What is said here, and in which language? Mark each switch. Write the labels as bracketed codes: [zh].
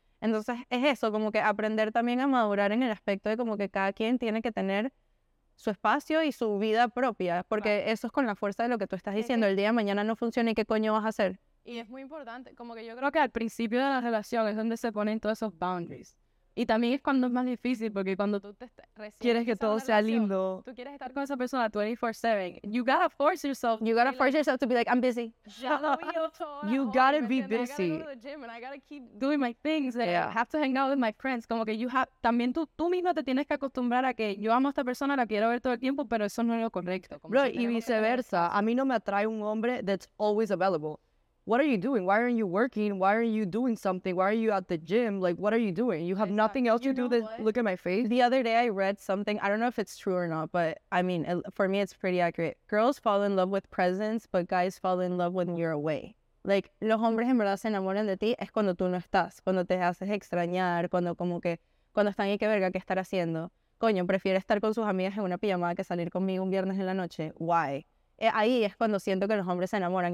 [es] Entonces, es eso, como que aprender también a madurar en el aspecto de como que cada quien tiene que tener su espacio y su vida propia, porque claro, eso es con la fuerza de lo que tú estás diciendo. El día de mañana no funciona, ¿y qué coño vas a hacer? Y es muy importante, como que yo creo que al principio de la relación es donde se ponen todos esos boundaries. Y también es cuando es más difícil, porque cuando tú te recibes, quieres que todo relación, sea lindo. Tú quieres estar con esa persona 24/7. [en] You gotta force yourself. You gotta force yourself to be like, I'm busy. You gotta be busy. I gotta go to the gym and I gotta keep doing my things. Yeah. I have to hang out with my friends. [es] Como que [en] you have, [es] también tú mismo te tienes que acostumbrar a que yo amo a esta persona, la quiero ver todo el tiempo, pero eso no es lo correcto. Como bro, si y viceversa. A mí no me atrae un hombre [en] that's always available. What are you doing? Why aren't you working? Why aren't you doing something? Why are you at the gym? Like, what are you doing? You have nothing else to do than look at my face. The other day I read something. I don't know if it's true or not, but I mean, for me, it's pretty accurate. Girls fall in love with presence, but guys fall in love when you're away. [es] Like, los hombres en verdad se enamoran de ti es cuando tú no estás, cuando te haces extrañar, cuando como que, cuando están ahí, qué verga, qué estar haciendo. Coño, prefiere estar con sus amigas en una pijamada que salir conmigo un viernes en la noche. Why? Ahí es cuando siento que los hombres se enamoran.